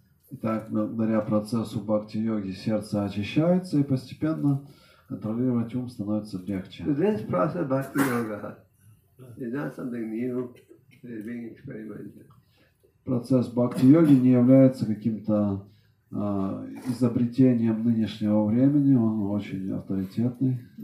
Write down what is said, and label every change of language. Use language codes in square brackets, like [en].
[ru] Итак, благодаря процессу бхакти-йоги сердце очищается и постепенно контролировать ум становится легче. [en] So this process of bhakti-yoga is not something new that is being experimented. [ru] Процесс бхакти-йоги не является каким-то изобретением нынешнего времени, он очень авторитетный.